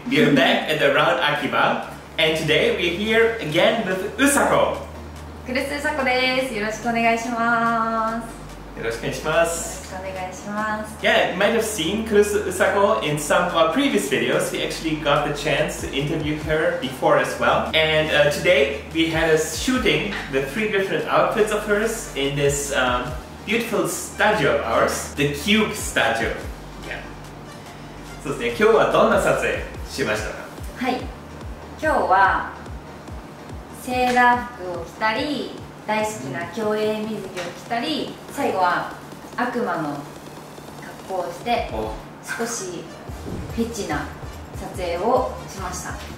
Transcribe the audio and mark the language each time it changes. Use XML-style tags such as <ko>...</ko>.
<en>We are back at the Round Akiba, and today we are here again with Usako.</en> <ja>クリス・ウサコです。よろしくお願いします。よろしくお願いします。よろしくお願いします。</ja> <en>Yeah, you might have seen クリス・ウサコ in some of our previous videos. We actually got the chance to interview her before as well. And、today we had a shooting with three different outfits of hers in this、beautiful studio of ours, the Cube Studio. Yeah.</en> <ja>そうですね、今日はどんな撮影しましたか？はい、今日はセーラー服を着たり、大好きな競泳水着を着たり、最後は悪魔の格好をして、少しフェチな撮影をしました。</ja>